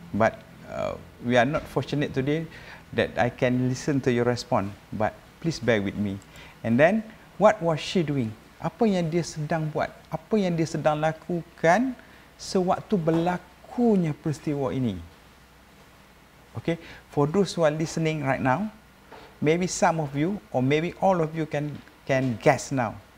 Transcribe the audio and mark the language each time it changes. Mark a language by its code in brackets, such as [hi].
[en] But we are not fortunate today that I can listen to your response. But please bear with me. And then, what was she doing? [ms] Apa yang dia sedang buat? Apa yang dia sedang lakukan sewaktu berlakunya peristiwa ini? [en] Okay, for those who are listening right now, maybe some of you or maybe all of you can guess now.